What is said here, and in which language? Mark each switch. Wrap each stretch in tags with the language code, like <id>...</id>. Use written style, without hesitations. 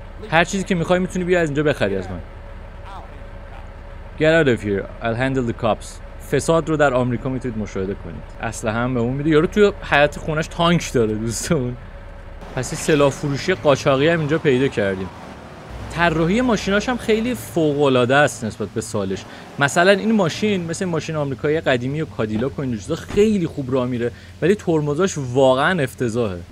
<fa>هر چیزی که میخوای میتونی بیا از اینجا بخری از من.</fa> <en>Get out of here, I'll handle the cops.</en> <fa>فساد رو در آمریکا میتونید مشاهده کنید. اسلحه هم به اون میده. یارو توی حیات خونش تانک داره دوستمون. پس این سلاح فروشی قاچاقی هم اینجا پیدا کردیم. طراحی ماشیناش هم خیلی فوق‌العاده است نسبت به سالش. مثلا این ماشین مثل ماشین آمریکایی قدیمی و کادیلاک و این چیزا خیلی خوب راه میره، ولی ترمزاش واقعا افتضاحه.</fa>